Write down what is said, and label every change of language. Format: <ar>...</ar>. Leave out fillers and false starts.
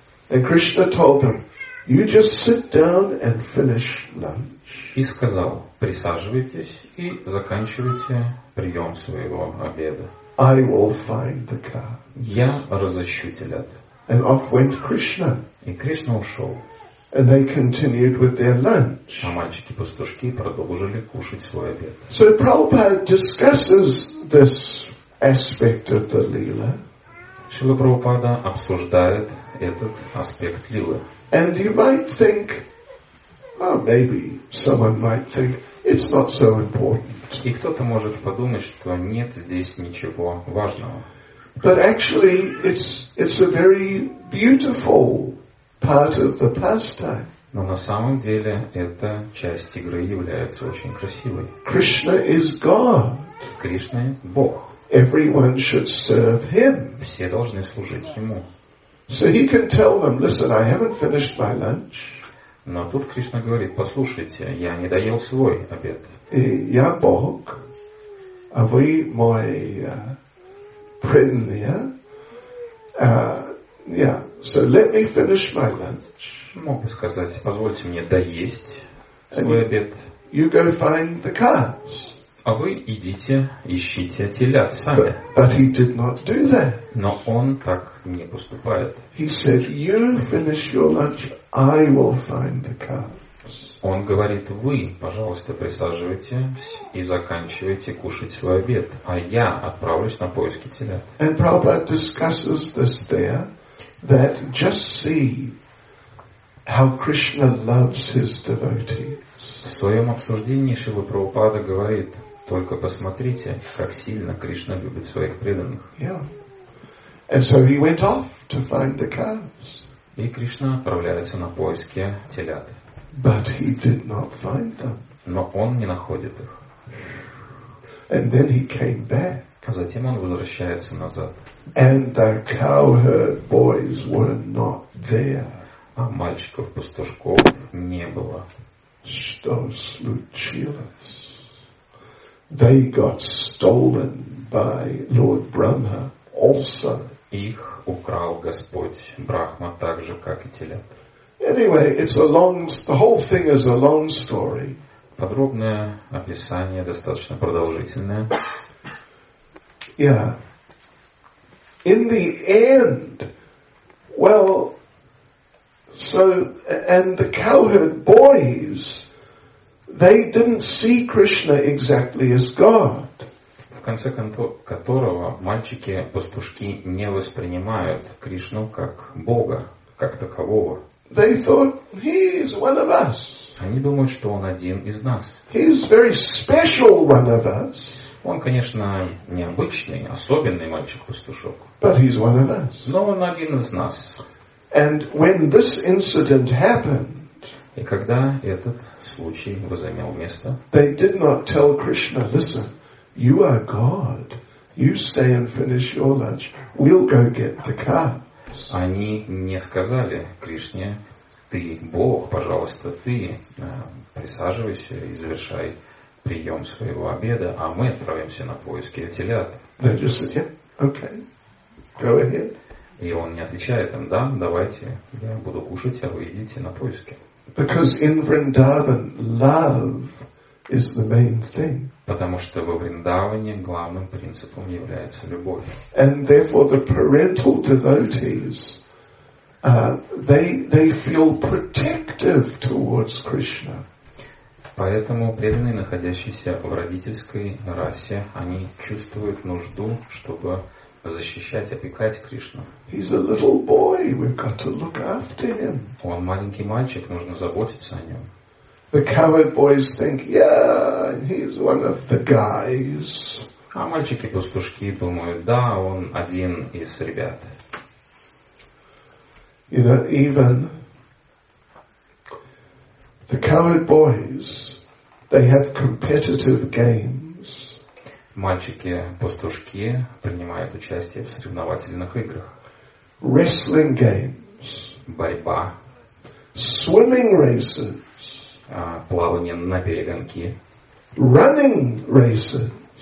<en>And Krishna told them, "You just sit down and finish lunch."</en> <ru>И сказал: присаживайтесь и заканчивайте прием своего обеда.</ru> <en>I will find the car.</en> <ru>Я разыщу телят.</ru> <en>And off went Krishna.</en> <ru>И Кришна ушел.</ru> <en>And they continued with their lunch.</en> <ru>А мальчики-пастушки продолжили кушать свой обед.</ru> <en>So Prabhupada discusses this aspect of the lila.</en> <ru>Шрила Прабхупада обсуждает этот аспект лилы.</ru> <en>And you might think, oh, maybe someone might think, it's not so important.</en> <ru>И кто-то может подумать, что нет здесь ничего важного.</ru> <en>But actually, it's a very beautiful part of the pastime.</en> <ru>Но на самом деле эта часть игры является очень красивой.</ru> <en>Krishna is God.</en> <ru>Кришна – Бог.</ru> <en>Everyone should serve Him.</en> <ru>Все должны служить Ему.</ru> <en>So He can tell them, listen, I haven't finished my lunch.</en> <ru>Но тут Кришна говорит, послушайте, я не доел свой обед. И я Бог, а вы мой преданный.</ru> <en>So let me finish my lunch.</en> <ru>Мог бы сказать, позвольте мне доесть свой</ru> <en>And</en> <ru>обед.</ru> <en>You go find the cows.</en> <ru>А вы идите, ищите телят сами.</ru> <en>But he did not do that.</en> <ru>Но он так не поступает.</ru> <en>He said, you finish your lunch, I will find the cows.</en> <ru>Он говорит, вы, пожалуйста, присаживайтесь и заканчивайте кушать свой обед, а я отправлюсь на поиски телят.</ru> <en>And Prabhupada discusses this there, that just see how Krishna loves his devotees.</en> <ru>В своем обсуждении Шрила Прабхупада говорит, только посмотрите, как сильно Кришна любит своих преданных.</ru> <en>Yeah. And so he went off to find the cows.</en> <ru>И Кришна отправляется на поиски телят.</ru> <en>But he did not find them.</en> <ru>Но он не находит их.</ru> <en>And then he came back.</en> <ru>А затем он возвращается назад.</ru> <en>And the cowherd boys were not there.</en> <ru>А мальчиков-пастушков не было. Что случилось?</ru> <en>They got stolen by Lord Brahma also.</en> <ru>Их украл Господь Брахма так же, как и телят.</ru> <en>Anyway, it's a long, the whole thing is a long story.</en> <ru>Подробное описание достаточно продолжительное.</ru> <en>Yeah. In the end, well, so, and the cowherd boys, they didn't see Krishna exactly as God.</en> <ru>В конце которого мальчики-пастушки не воспринимают Кришну как Бога, как такового.</ru> <en>They thought he is one of us.</en> <ru>Они думают, что он один из нас.</ru> <en>He is very special one of us.</en> <ru>Он, конечно, необычный, особенный мальчик-пастушок.</ru> <en>But he's one of us.</en> <ru>Но он один из нас.</ru> <en>And when this incident happened,</en> <ru>и когда этот случай возымел место,</ru> <en>they did not tell Krishna, listen, you are God, you stay and finish your lunch, we'll go get the cows.</en> <ru>Они не сказали Кришне, ты Бог, пожалуйста, ты присаживайся и завершай прием своего обеда, а мы отправимся на поиски телят.</ru> <en>They just said, yeah, okay, go ahead.</en> <ru>И он не отвечает им, да, давайте, я буду кушать, а вы идите на поиски.</ru> <en>Because in Vrindavan, love is the main thing.</en> <ru>Потому что во Вриндаване главным принципом является любовь.</ru> <en>And therefore the parental devotees, they feel protective towards Krishna.</en> <ru>Поэтому преданные, находящиеся в родительской расе, они чувствуют нужду, чтобы защищать, опекать Кришну.</ru> <en>He's a little boy, we've got to look after him.</en> <ru>Он маленький мальчик, нужно заботиться о нем.</ru> <en>The coward boys think, yeah, he's one of the guys.</en> <ru>А мальчики-пастушки думают, да, он один из ребят.</ru> <en>You know, even the coward boys, they have competitive games.</en> <ru>Мальчики-пастушки принимают участие в соревновательных играх.</ru> <en>Wrestling games.</en> <ru>Борьба.</ru> <en>Swimming races.</en> <ru>Плавание на перегонки.</ru> <en>Running races.</en>